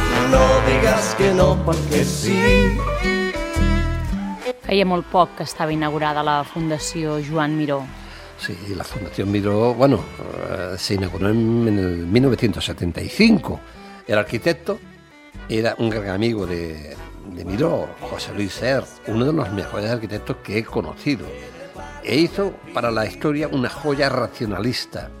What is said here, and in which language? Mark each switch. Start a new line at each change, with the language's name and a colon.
Spanish: No digas que no porque sí.
Catalan: Feia molt poc que estava inaugurada la Fundació Joan Miró.
Spanish: Sí, la Fundación Miró, bueno, se inauguró en el 1975. El arquitecto era un gran amigo de Miró, José Luis Ser, uno de los mejores arquitectos que he conocido. E hizo para la historia una joya racionalista.